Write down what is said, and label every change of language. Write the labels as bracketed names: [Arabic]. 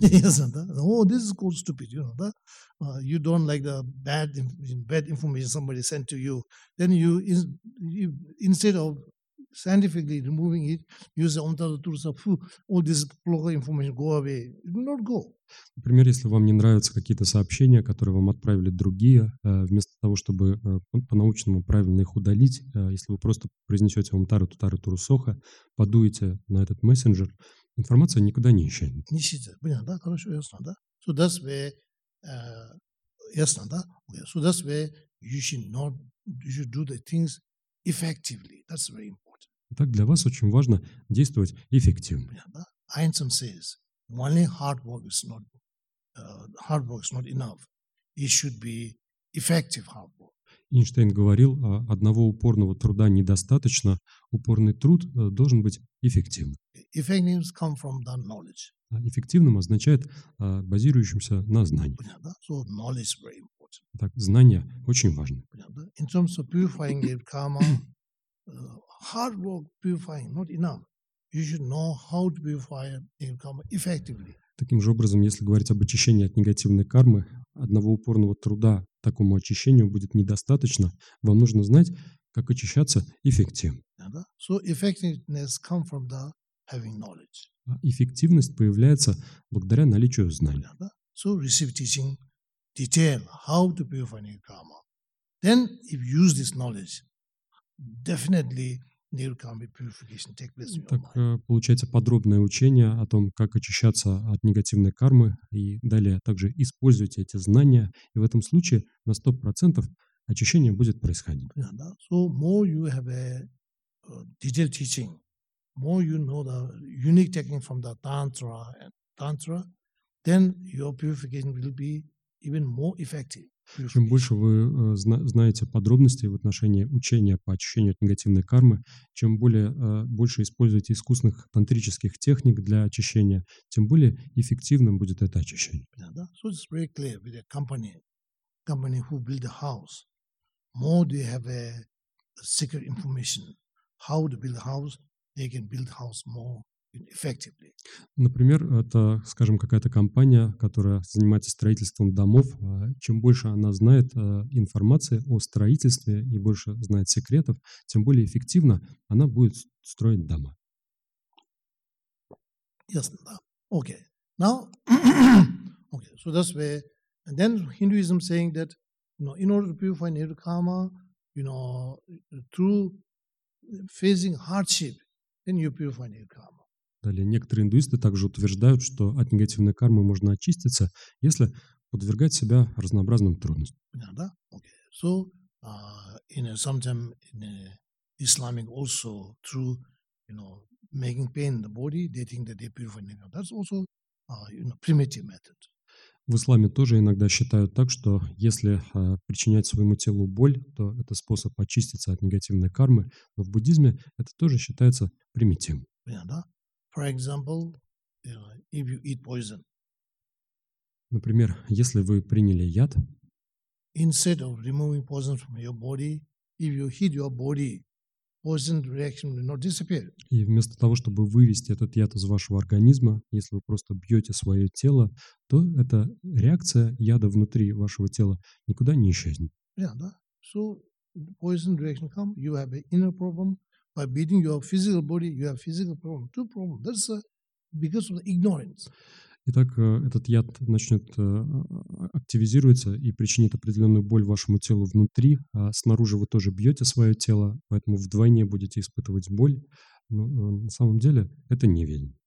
[Russian] денется. [English] Oh, this is called stupid, you know, да? You don't like the bad information somebody sent to you. Then you instead of scientifically removing it, use the untar tools of all this blocker information go away. Not go. [Russian] Например, если вам не нравятся какие-то сообщения, которые вам отправили другие, вместо того, чтобы по-научному правильно их удалить, если вы просто произнесете untar tutara turusoha, подуете на этот мессенджер, информация никуда не исчезнет. Не исчезнет. Понятно, да? Хорошо, ясно, да? [English] So that's where, [Russian] ясно, да? Okay. [English] So that's where you should do the things effectively. That's very important. [Russian] Так для вас очень важно действовать эффективно. [English] Айнсон says, only hard work is not enough. It should be effective hard work. [Russian] Эйнштейн говорил, одного упорного труда недостаточно. Упорный труд должен быть эффективным. [English] Effective come from the knowledge. [Russian] Эффективным означает базирующимся на знании. [English] So knowledge is very important. [Russian] Так, знание очень важно. [English] In terms of purifying your karma, hard work purifying not enough. You should know how to purify your karma effectively. [Russian] Таким же образом, если говорить об очищении от негативной кармы, одного упорного труда такому очищению будет недостаточно. Вам нужно знать, как очищаться эффективно. [English] So effectiveness comes from the having knowledge. [Russian] Эффективность появляется благодаря наличию знаний. [English] So receive teaching detail how to purify your karma. Then if you use this knowledge, definitely there can be purification take place in your mind. [Russian] Так получается подробное учение о том, как очищаться от негативной кармы, и далее также используйте эти знания, и в этом случае на 100% очищение будет происходить. Yeah, да? [English] So more you have a detailed teaching, more you know the unique technique from the tantra, then your purification will be even more effective. [Russian] Чем больше вы знаете подробностей в отношении учения по очищению от негативной кармы, чем больше используете искусных тантрических техник для очищения, тем более эффективным будет это очищение. Yeah, да? [English] So it's very clear with a company who build a house, more they have a secret information how to build a house, they can build house more. [Russian] Например, это, скажем, какая-то компания, которая занимается строительством домов. Чем больше она знает информации о строительстве и больше знает секретов, тем более эффективно она будет строить дома. Ясно, да. Okay. Now, okay. [English] So that's where, and then Hinduism saying that, you know, in order to purify your karma, you know, through facing hardship, then you purify your karma. [Russian] Далее. Некоторые индуисты также утверждают, что от негативной кармы можно очиститься, если подвергать себя разнообразным трудностям. Понятно, да? Okay. [English] So, sometimes in Islamic also through, you know, making pain in the body, they think that they purify nature. That's also, you know, primitive method. [Russian] В исламе тоже иногда считают так, что если причинять своему телу боль, то это способ очиститься от негативной кармы. Но в буддизме это тоже считается примитивным. Понятно, да? [English] For example, if you eat poison. [Russian] Например, если вы приняли яд, [English] instead of removing poison from your body, if you hit your body, poison reaction will not disappear. [Russian] И вместо того, чтобы вывести этот яд из вашего организма, если вы просто бьете свое тело, то эта реакция яда внутри вашего тела никуда не исчезнет. Yeah, да. [English] So poison reaction come, you have an inner problem. By beating your physical body, you have physical problem. Two problems. That's because of the ignorance. [Russian] Итак, этот яд начнет активизироваться и причинит определенную боль вашему телу внутри. А снаружи вы тоже бьете свое тело, поэтому вдвойне будете испытывать боль. Но на самом деле это неверно.